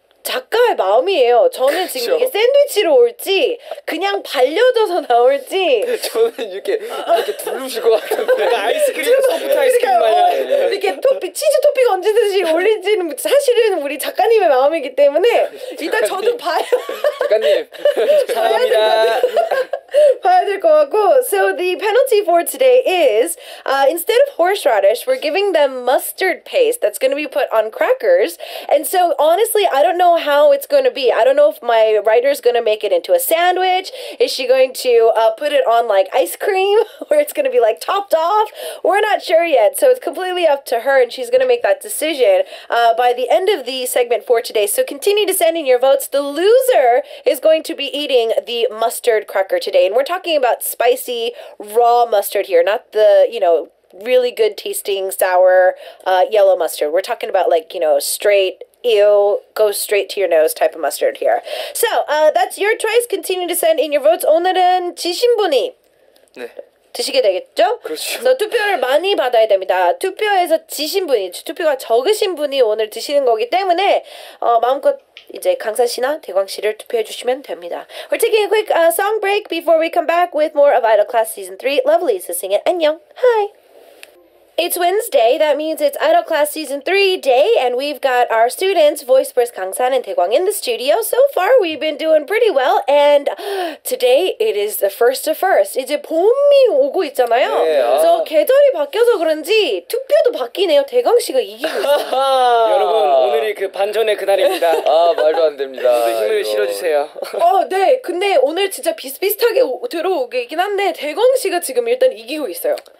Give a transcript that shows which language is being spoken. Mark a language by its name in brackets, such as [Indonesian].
[Korean] 작가의 마음이에요. 저는 지금 이게 샌드위치로 올지 그냥 발려져서 나올지 저는 이렇게 두르실 것 같은데 아이스크림 소프트 아이스크림 이렇게, 이렇게 토피 치즈 토핑 얹듯이 올릴지는 사실은 우리 작가님의 마음이기 때문에 일단 저도 봐요. 작가님 감사합니다. 봐야 될 것 같고. [English] So the penalty for today is instead of horseradish we're giving them mustard paste that's going to be put on crackers. And so honestly I don't know how it's going to be. I don't know if my writer is going to make it into a sandwich. Is she going to put it on like ice cream where it's going to be like topped off? We're not sure yet. So it's completely up to her and she's going to make that decision by the end of the segment for today. So continue to send in your votes. The loser is going to be eating the mustard cracker today. And we're talking about spicy raw mustard here, not the, you know, really good tasting sour yellow mustard. We're talking about like, you know, straight ew, goes straight to your nose type of mustard here. So, that's your choice. Continue to send in your votes. [Korean] 오늘은 지신 분이 네. 드시게 되겠죠? 그렇죠. 투표를 많이 받아야 됩니다. 투표에서 지신 분이, 투표가 적으신 분이 오늘 드시는 거기 때문에 마음껏 이제 강사 씨나 대광 씨를 투표해 주시면 됩니다. [English] We're taking a quick song break before we come back with more of Idol Class Season 3. Lovely is to sing it. [Korean] 안녕. [English] Hi. It's Wednesday. That means it's Idol Class Season 3 day, and we've got our students, Voisper, Kangsan, and Daekwang in the studio. So far, we've been doing pretty well, and today it is the first of first. [Korean] 이제 봄이 오고 있잖아요. 네, 그래서 계절이 바뀌어서 그런지 투표도 바뀌네요. 대광 씨가 이기고 있어요. 여러분, 오늘이 그 반전의 그날입니다. 아, 말도 안 됩니다. 힘을 실어주세요. 네. 근데 오늘 진짜 비슷비슷하게 들어오긴 한데 대광 씨가 지금 일단 이기고 있어요.